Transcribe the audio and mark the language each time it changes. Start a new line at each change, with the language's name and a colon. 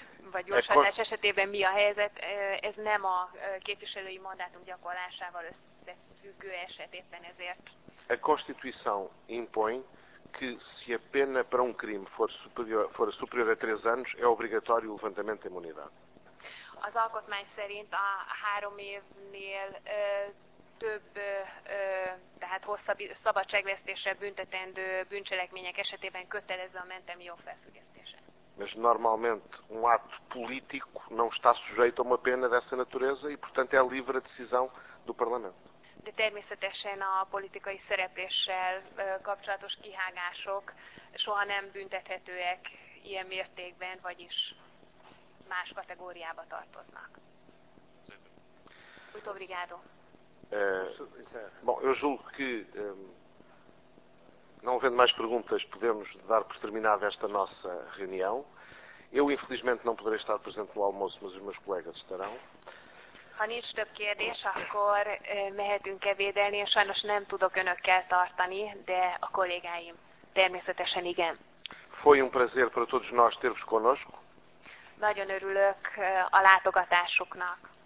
Hungarian: Vagy gyorsanás esetében mi a helyzet, ez nem a képviselői mandátum gyakorlásával összefüggő eset, éppen ezért.
Portuguese: A Constituição impõe que se a pena para crime for superior a 3 anos, é obrigatório o levantamento da imunidade.
Hungarian: Az alkotmány szerint a 3 évnél több, tehát hosszabb szabadságvesztésre büntetendő bűncselekmények esetében kötelező a mentelmi jog felfüggesztése.
Portuguese: Mas normalmente ato político não está sujeito a uma pena dessa natureza e, portanto, é a livre decisão do Parlamento.
Hungarian: De természetesen a politikai szerepléssel kapcsolatos kihágások soha nem büntethetőek ilyen mértékben, vagyis más kategóriába tartoznak.
Portuguese: Muito obrigado. Bom, eu julgo que, não havendo mais perguntas, podemos dar por terminada esta nossa reunião. Eu, infelizmente, não poderei estar presente no almoço, mas os meus colegas estarão.
Hungarian: Ha nincs több kérdés, akkor mehetünk ebédelni, és sajnos nem tudok önökkel tartani, de a kollégáim természetesen igen.
Portuguese: Foi prazer para todos nós ter-vos connosco.
Hungarian: Nagyon örülök a látogatásuknak.